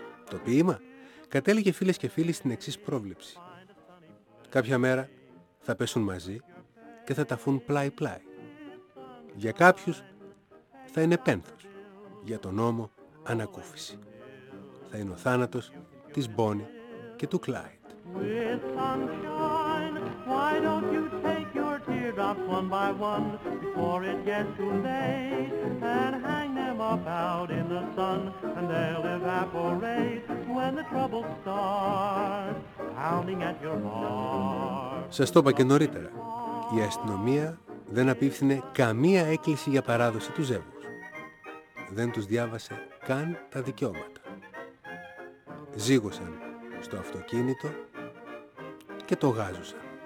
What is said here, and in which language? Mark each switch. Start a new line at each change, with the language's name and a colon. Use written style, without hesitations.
Greek: Το ποίημα κατέληγε, φίλες και φίλοι, στην εξής πρόβλεψη: κάποια μέρα θα πέσουν μαζί και θα ταφούν πλάι-πλάι. Για κάποιους θα είναι πένθος, για τον νόμο ανακούφιση. Θα είναι ο θάνατος της Bonnie και του Clyde.
English: With sunshine, why don't you take your teardrops one by one before it gets too late and hang them up out in the sun and they'll evaporate when the troubles start pounding at your heart.
Greek: Σας το είπα και νωρίτερα. Η αστυνομία δεν απίφθινε καμία έκκληση για παράδοση του ζεύγους. Δεν τους διάβασε καν τα δικαιώματα. Ζήγωσαν στο αυτοκίνητο και το γάζουσαν.